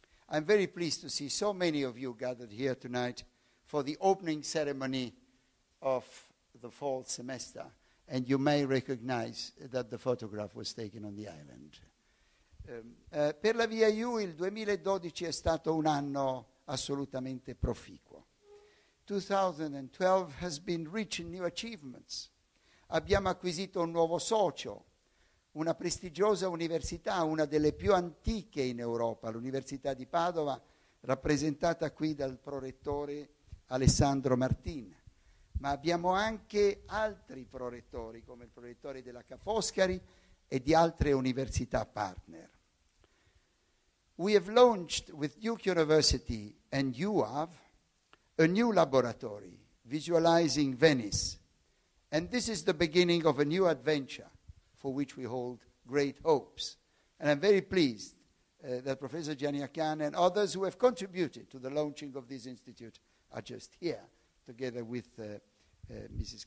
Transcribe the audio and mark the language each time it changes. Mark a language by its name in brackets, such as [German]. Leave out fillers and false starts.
[English] I'm very pleased to see so many of you gathered here tonight for the opening ceremony of the fall semester. And you may recognize that the photograph was taken on the island. [Italian] Per la VIU il 2012 è stato un anno assolutamente proficuo. [English] 2012 has been rich in new achievements. [Italian] Abbiamo acquisito un nuovo socio, una prestigiosa università, una delle più antiche in Europa, l'Università di Padova, rappresentata qui dal prorettore Alessandro Martin. Ma abbiamo anche altri prorettori, come il prorettore della Ca' Foscari e di altre università partner. [English] We have launched with Duke University and UAV a new laboratory visualizing Venice. And this is the beginning of a new adventure for which we hold great hopes. And I'm very pleased that Professor Gianni Akian and others who have contributed to the launching of this institute are just here, together with Mrs.